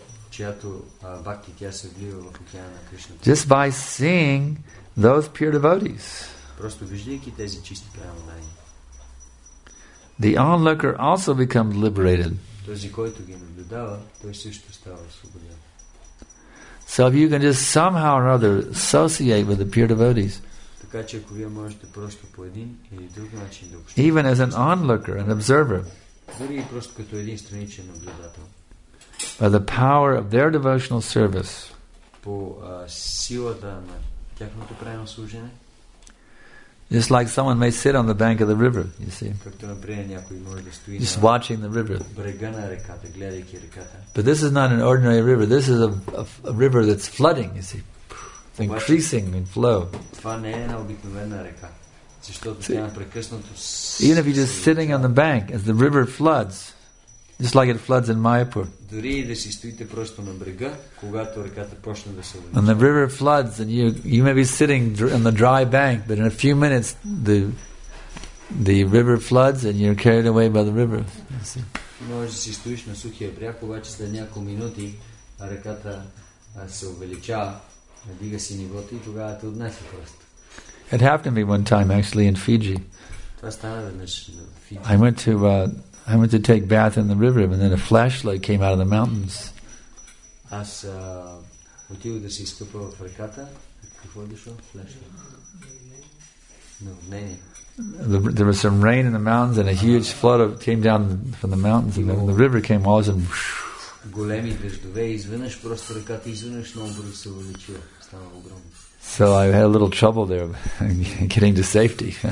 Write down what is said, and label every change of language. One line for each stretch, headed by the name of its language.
Bulgarian: Чиято бхакти тя се влива в океана на Кришна.
English: Just by seeing those pure devotees.
Bulgarian: Просто виждайки тези чисти преподавания.
English: The onlooker also becomes liberated.
Bulgarian: Този, който ги наблюдава, той също става свободен.
English: So if you can just somehow or other associate with the pure devotees,
Bulgarian: така че ако вие можете просто по един или друг начин да общувате,
English: even as an onlooker, an observer,
Bulgarian: дори и просто като един страничен наблюдател,
English: by the power of their devotional service,
Bulgarian: по силата на тяхното правилно служене,
English: just like someone may sit on the bank of the river, you see.
Bulgarian: Както например някой може да стои.
English: Just watching the river.
Bulgarian: Брега на реката, гледайки реката.
English: But this is not an ordinary river. This is a river that's flooding, you see. It's increasing in flow.
Bulgarian: Това не е обикновена река, защото тя непрекъснато.
English: Even if you're just sitting on the bank as the river floods, just like it floods in Mayapur.
Bulgarian: Дори да си стоите просто на брега, когато реката почне да се увеличава.
English: When the river floods and you may be sitting on the dry bank, but in a few minutes the river floods and you're carried away by the river.
Bulgarian: Може да си стоиш на сухия бряг, обаче след няколко минути реката се увеличава, дига си нивото и тогава те отнесе просто.
English: It happened to me one time actually in Fiji.
Bulgarian: Това стана веднъж в Фиджи.
English: I went to take bath in the river, and then a flashlight came out of the mountains.
Bulgarian: Аз отидох да се изкупа в реката. Какво дошло?
English: Flashlight. No, there was some rain in the mountains, and a huge flood came down from the mountains, and then the river came all of a sudden.
Bulgarian: Големи дъждове, извинеш просто реката, извинеш много бързо се увеличила. Става огромно.
English: So I had a little trouble there getting to safety.